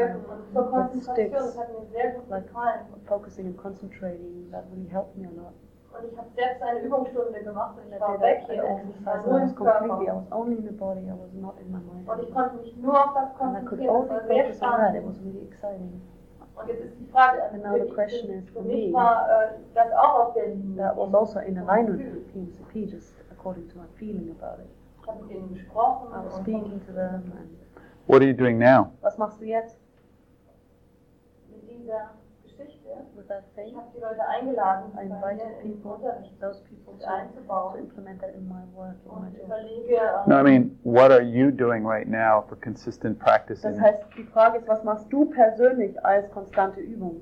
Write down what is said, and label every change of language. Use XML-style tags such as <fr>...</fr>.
<en>I've been shown one thing, focusing and concentrating, that really helped me a lot.</en> <de>Und ich habe selbst eine Übungsstunde gemacht und ich war weg hier und war nur im Körper.</de> <en>I was not in my mind.</en> <de>Und ich konnte mich nur auf das konzentrieren, das war sehr spannend.</de> <en>It was really exciting.</en> <de>Und jetzt ist die Frage, also für mich war das auch auf der Linie.</de> <en>That was also in alignment with PMCP, just according to my feeling about it.</en> <de>Ich habe mit ihnen gesprochen.</de> <en>I was speaking to them. And what are you doing now?</en> <de>Was machst du jetzt? Mit dieser Geschichte?</de> <en>With with that thing. I invited people, those people, to implement that in my work. No, I mean, what are you doing right now for consistent practice?</en> <de>Das heißt, die Frage ist, was machst du persönlich als konstante Übung?</de>